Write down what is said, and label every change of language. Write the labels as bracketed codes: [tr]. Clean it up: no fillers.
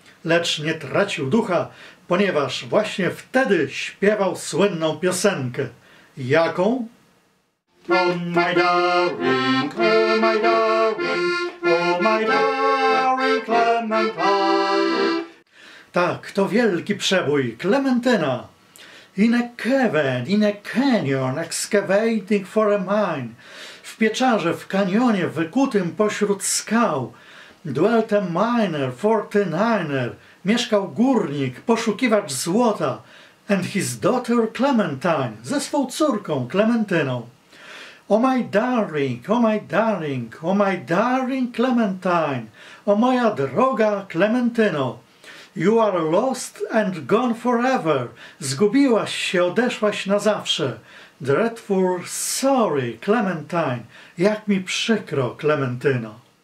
[pl] Lecz nie tracił ducha, ponieważ właśnie wtedy śpiewał słynną piosenkę. Jaką? [en] Oh my darling, oh my darling, oh my darling Clementine. [pl] Tak, to wielki przebój, Clementina. [en] In a cavern, in a canyon, excavating for a mine. [pl] W pieczarze, w kanionie, wykutym pośród skał. [en] Dwelt a miner, 49er. [pl] Mieszkał górnik, poszukiwacz złota. [en] And his daughter Clementine, [pl] ze swą córką, Clementyną. [en] O my darling, o my darling Clementine, [pl] o moja droga Clementino. [en] You are lost and gone forever. [pl] Zgubiłaś się, odeszłaś na zawsze. [en] Dreadful sorry, Clementine. [pl] Jak mi przykro, Clementino.